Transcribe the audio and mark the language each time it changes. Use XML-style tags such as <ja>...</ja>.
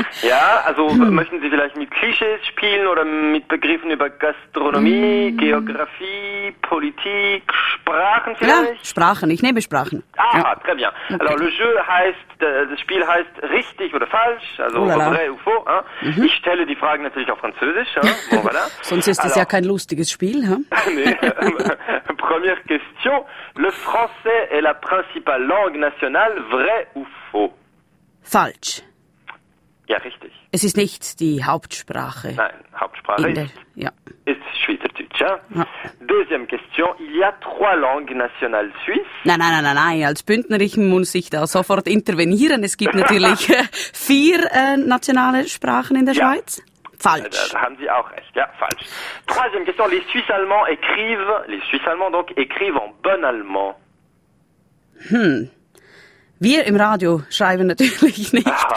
<de>Ja, also möchten Sie vielleicht mit Klischees spielen oder mit Begriffen über Gastronomie, Geografie, Politik, Sprachen vielleicht? Ja, Sprachen. Ich nehme Sprachen. Ah, ja.</de> <fr>Très bien. Okay. Alors, le jeu</fr> <de>heißt, das Spiel heißt richtig oder falsch. Also,</de> <fr>vrai ou faux.</fr> <de>Hein? Mhm. Ich stelle die Fragen natürlich auf Französisch.</de> <fr>Voilà.</fr> <de>Sonst ist es ja kein lustiges Spiel. Hein?</de> <fr>Première question. Le français est la principale langue nationale, vrai ou faux?</fr> <de>Falsch. Ja, richtig. Es ist nicht die Hauptsprache. Nein, Hauptsprache ist, ja. Ist Schweizerdeutsch. Hein? Ja.</de> <fr>Deuxième question. Il y a trois langues nationales suisses.</fr> <de>Nein. Als Bündnerin muss ich da sofort intervenieren. Es gibt natürlich vier nationale Sprachen in der Schweiz. Falsch. Da haben Sie auch recht. Ja, falsch.</de> <fr>Troisième question. Les Suisses allemands écrivent, en bon allemand.</fr> <de>Wir im Radio schreiben natürlich nicht.</de>